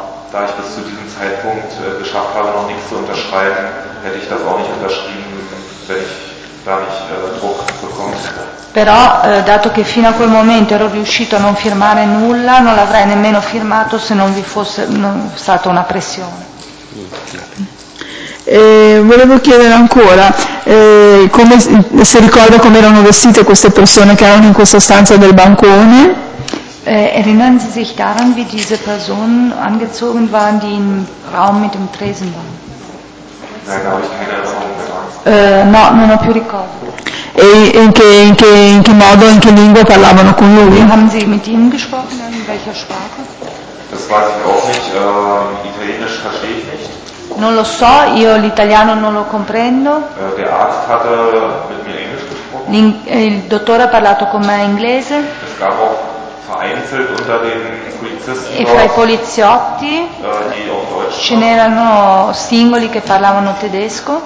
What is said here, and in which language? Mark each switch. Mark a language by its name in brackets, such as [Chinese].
[German] Da ich bis zu diesem Zeitpunkt geschafft habe, noch nichts zu unterschreiben, hätte ich das auch nicht unterschrieben, wenn ich da nicht Druck bekommen hätte. [Italian] Però, dato che fino a quel momento ero riuscito a non firmare nulla, non l'avrei nemmeno firmato se non vi fosse stata una pressione. Volevo chiedere ancora come se ricorda come erano vestite queste persone che erano in questa stanza del bancone. [German] Erinnern Sie sich daran, wie diese Personen angezogen waren, die im Raum mit dem Tresen waren? [Italian] No, non ho più ricordo. E in che modo, in che lingua parlavano con lui? [German] Wie haben Sie mit ihm gesprochen? In welcher Sprache? Das weiß ich auch nicht. Italienisch verstehe ich nicht. [Italian] Non lo so, io l'italiano non lo comprendo. [German] Der Arzt hatte mit mir Englisch gesprochen. [Italian] Il dottore ha parlato con me inglese. [German] Es gab auch vereinzelt unter den Polizisten. [Italian] E fra i poliziotti ce n'erano singoli che parlavano tedesco.